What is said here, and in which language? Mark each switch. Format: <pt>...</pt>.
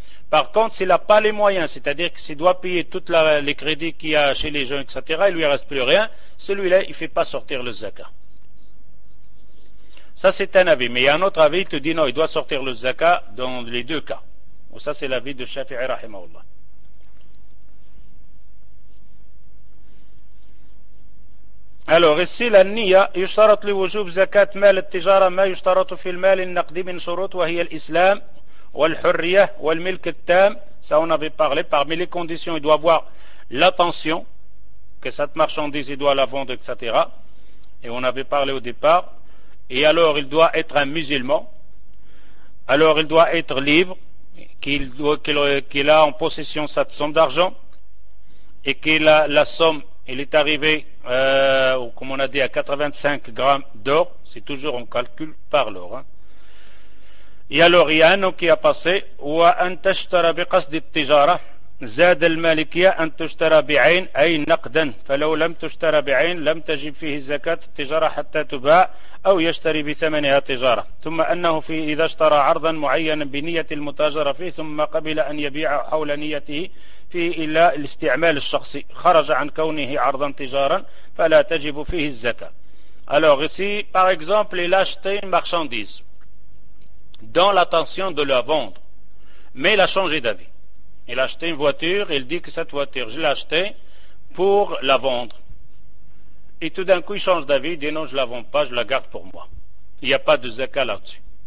<fr>Par contre, s'il n'a pas les moyens, c'est-à-dire que s'il doit payer tous les crédits qu'il y a chez les gens, etc., il ne lui reste plus rien, celui-là, il ne fait pas sortir le zakat. Ça, c'est un avis. Mais il y a un autre avis, il te dit non, il doit sortir le zakat dans les deux cas. Bon, ça, c'est l'avis de Shafi'i Rahimahullah. Alors ici la niya</fr> <ar>يشترط لوجوب زكاة مال التجارة ما يشترط في المال النقدي من شروط وهي الإسلام والحرية والملك التام.</ar> <fr>Ça on avait parlé. Parmi les conditions, il doit avoir l'attention, que cette marchandise il doit la vendre, etc. Et on avait parlé au départ. Et alors il doit être un musulman. Alors il doit être libre, qu'il a en possession cette somme d'argent, et que la somme, elle est arrivée, comme on a dit, à 85 grammes d'or. C'est toujours en calcul par l'or. Hein. Et alors il y a un an qui a passé.</fr> <ar>Wa an tashtara bi qasdi tijara. زاد المالكية أن تشترى بعين أي نقدا فلو لم تشترى بعين لم تجب فيه زكاة التجارة حتى تباع أو يشتري بثمنها تجارة ثم أنه في إذا اشترى عرضا معينا بنية المتاجرة فيه ثم قبل أن يبيع حول نيته فيه إلا الاستعمال الشخصي خرج عن كونه عرضا تجارا فلا تجب فيه الزكاة.</ar> <fr>Alors ici, par exemple, il a acheté une marchandise dans l'intention de la vendre, mais il a changé d'avis. Il a acheté une voiture, il dit que cette voiture, je l'ai achetée pour la vendre. Et tout d'un coup, il change d'avis, il dit non, je ne la vends pas, je la garde pour moi. Il n'y a pas de zaka là-dessus.</fr>